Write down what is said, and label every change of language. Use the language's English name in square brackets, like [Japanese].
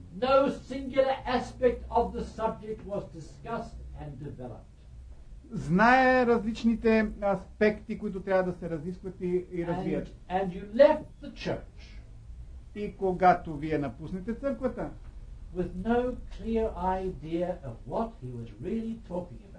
[English] No singular aspect of the subject was discussed and developed. [Bulgarian] Знае различните аспекти, които трябва да се разискват и развият. [English] And you left the church. [Bulgarian] И когато вие напуснете църквата, [English] with no clear idea of what he was really talking about.